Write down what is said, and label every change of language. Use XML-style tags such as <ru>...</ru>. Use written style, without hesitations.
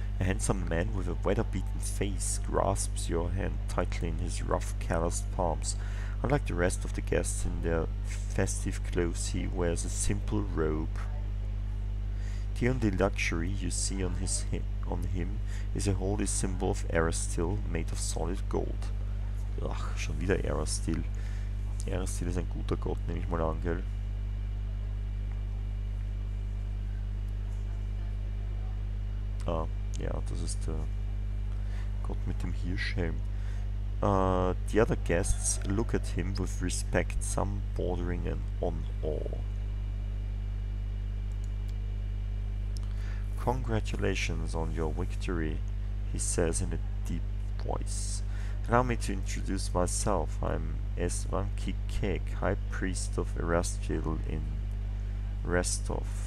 <en>A handsome man with a weather-beaten face grasps your hand tightly in his rough, calloused palms. Unlike the rest of the guests in their festive clothes, he wears a simple robe. The only luxury you see on his on him is a holy symbol of Erastil made of solid gold.</en> <de>Ach, schon wieder Erastil. Erastil ist ein guter Gott, nehme ich mal an, gell? Ah, ja, das ist der Gott mit dem Hirschhelm.</de> <en>The other guests look at him with respect, some bordering on awe. Congratulations on your victory, he says in a deep voice. Allow me to introduce myself. I'm Eswanki Kek, High Priest of Erastil in Restov.</en>